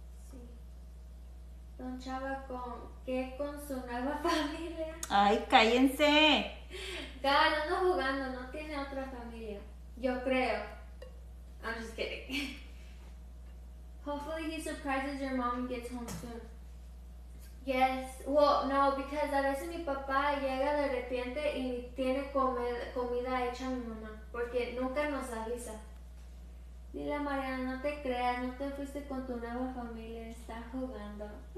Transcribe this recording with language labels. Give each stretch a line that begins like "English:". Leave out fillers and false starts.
Spanish: Sí. Don Chava, ¿con qué? ¿Con su nueva familia? ¡Ay, cállense! Claro, no jugando, no tiene otra familia. Yo creo.
English: I'm just kidding. Hopefully he surprises your mom and gets home soon. Yes. Well, no, because
Spanish: a veces mi papá llega de repente y tiene comida hecha a mi mamá. Porque nunca nos avisa. Dile a Mariana, no te creas, no te fuiste con tu nueva familia. Está jugando.